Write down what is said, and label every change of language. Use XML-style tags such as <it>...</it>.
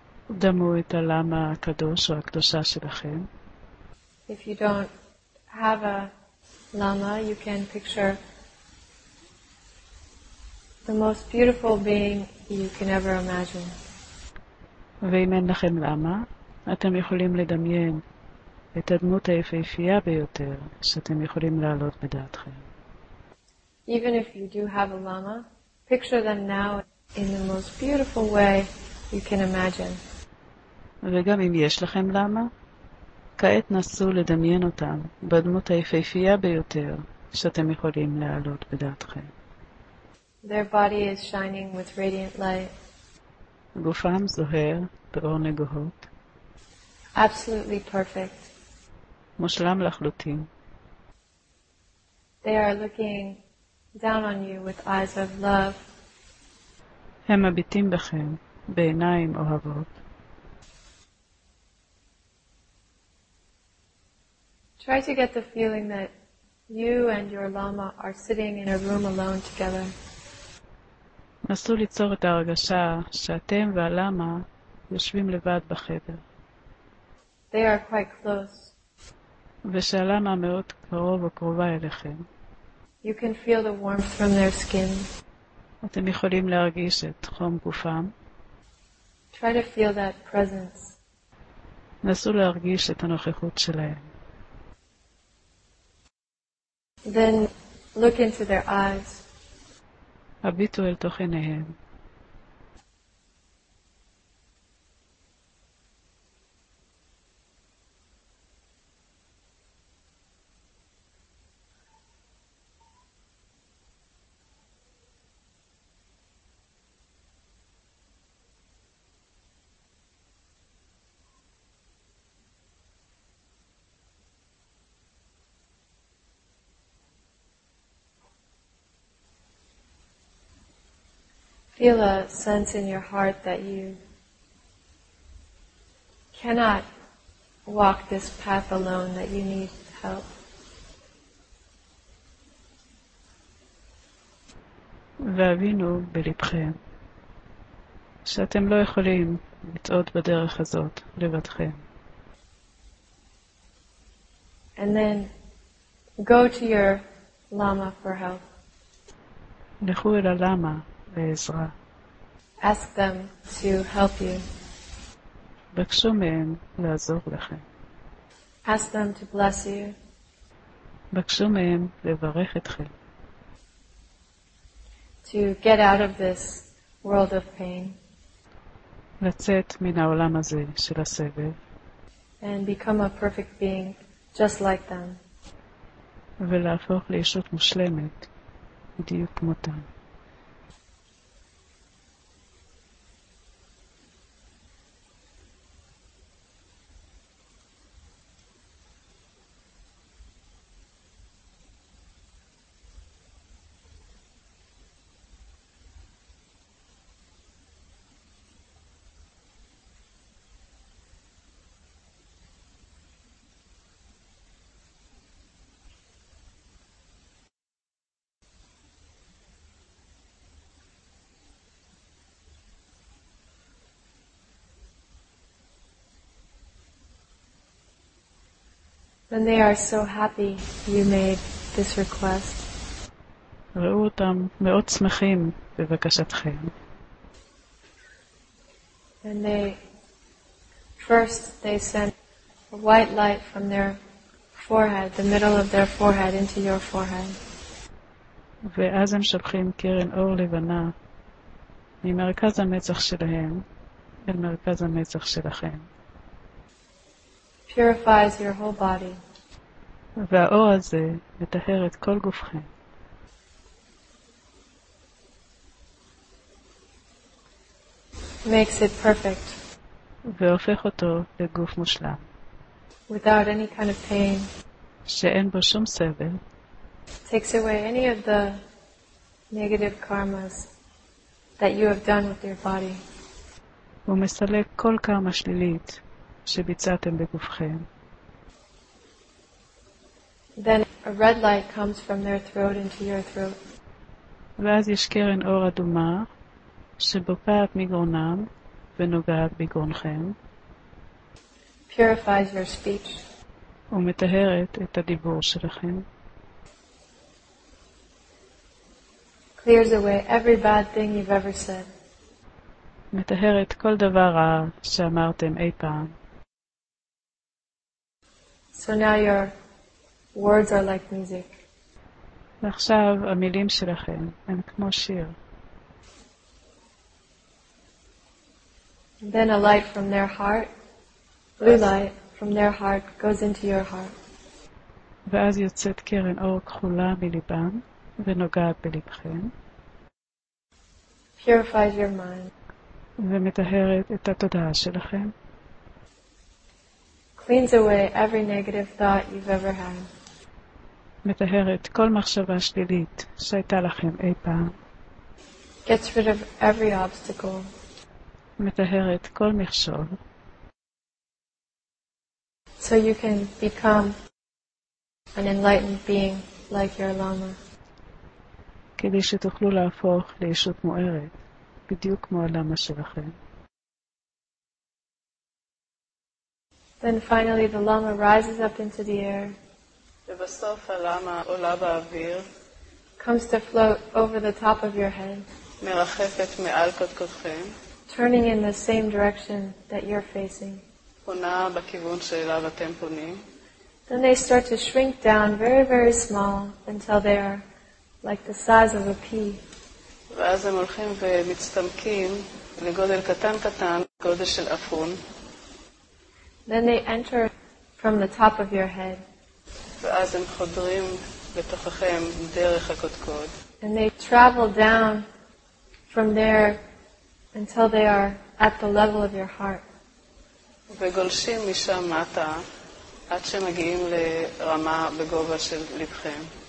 <he>דמו את הלמה הקדוש או הקדושה שלכם.</he> <en>If you don't have a lama, you can picture the most beautiful being you can ever imagine.</en> <he>ואם אין לכם למה, אתם יכולים לדמיין את הדמות היפהפייה ביותר שאתם יכולים לעלות בדעתכם.</he> <en>Even if you do have a llama, picture them now in the most beautiful way you can imagine.</en> <he>וגם אם יש לכם למה, כעת נסו לדמיין אותם בדמות היפהפייה ביותר שאתם יכולים לעלות בדעתכם.</he> <en>Their body is shining with radiant light.</en> <he>גופם זוהר באור נגוהות.</he> <en>Absolutely perfect.</en> <he>מושלם לחלוטין.</he> <en>They are looking down on you with eyes of love.</en> <he>הם מביטים בכם בעיניים אוהבות.</he> <en>Try to get the feeling that you and your llama are sitting in a room alone together.</en> <he>נסו ליצור את ההרגשה שאתם והלמה יושבים לבד בחדר.</he> <en>They are quite close.</en> <he>ושהלמה מאוד קרוב או קרובה אליכם.</he> <en>You can feel the warmth from their skin.</en> <he>אתם יכולים להרגיש את חום גופם.</he> <en>Try to feel that presence.</en> <he>נסו להרגיש את הנוכחות שלהם.</he> <en>Then look into their eyes.</en> <he>הביטו אל תוך עיניהם.</he> <en>Feel a sense in your heart that you cannot walk this path alone, that you need help.</en> <he>והבינו בלבכם שאתם לא יכולים לצעוד בדרך הזאת לבדכם.</he> <en>And then go to your llama for help.</en> <he>לכו אל הלמה לעזרה.</he> <en>Ask them to help you.</en> <he>בקשו מהם לעזור לכם.</he> <en>Ask them to bless you.</en> <he>בקשו מהם לברך אתכם.</he> <en>To get out of this world of pain.</en> <he>לצאת מן העולם הזה של הסבל.</he> <en>And become a perfect being just like them.</en> <he>ולהפוך לישות מושלמת בדיוק כמותם.</he> <en>When they are so happy you made this request.</en> <he>ראו אותם מאוד שמחים בבקשתכם.</he> <en>And they first they sent a white light from their forehead, the middle of their forehead into your forehead.</en> <he>ואז הם שופכים קרן אור לבנה ממרכז המצח שלהם אל מרכז המצח שלכם.</he> <en>Purifies your whole body.</en> <he>והאור הזה מטהר את כל גופכם.</he> <en>Makes it perfect.</en> <he>והופך אותו לגוף מושלם.</he> <en>Without any kind of pain.</en> <he>שאין בו שום סבל.</he> <en>Takes away any of the negative karmas that you have done with your body.</en> <he>ומסלק כל קרמה שלילית שביצעתם בגופכם.</he> <en>then a red light comes from their throat into your throat.</en> <he>ואז יש קרן אור אדומה שבוקעת מגרונם ונוגעת בגרונכם.</he> <en>Purifies your speech.</en> <he>ומטהרת את הדיבור שלכם.</he> <en>Clears away every bad thing you've ever said.</en> <he>מטהרת כל דבר רע שאמרתם אי פעם.</he> <en>So now your words are like music.</en> <he>ועכשיו המילים שלכם הם כמו שיר.</he> <en>Then a light from their heart, blue light from their heart goes into your heart.</en> <he>ואז יוצאת קרן אור כחולה מליבם ונוגעת בליבכם.</he> <en>Purifies your mind.</en> <he>ומטהרת את התודעה שלכם.</he> <en>Cleans away every negative thought you've ever had.</en> <he>מטהרת כל מחשבה שלילית שהייתה לכם אי פעם.</he> <en>Gets rid of every obstacle.</en> <he>מטהרת כל מכשול.</he> <en>So you can become an enlightened being like your lama.</en> <he>כדי שתוכלו להפוך לישות מוארת בדיוק כמו הלמה שלכם.</he> <en>Then finally the lama rises up into the air.</en> <he>ובסוף הלמה עולה באוויר.</he> <en>Comes to float over the top of your head.</en> <he>מרחפת מעל קודקודכם.</he> <en>Turning in the same direction that you're facing.</en> <he>פונה בכיוון שאליו אתם פונים.</he> <en>Then they start to shrink down very very small until they are like the size of a pea.</en> <he>ואז הם הולכים ומצטמקים לגודל קטן קטן, גודל של אפון.</he> <en>Then they enter from the top of your head.</en> <he>ואז הם חודרים לתוככם דרך הקודקוד.</he> <en>And they travel down from there until they are at the level of your heart.</en> <he>וגולשים משם מטה עד שמגיעים לרמה בגובה של לבכם.</he>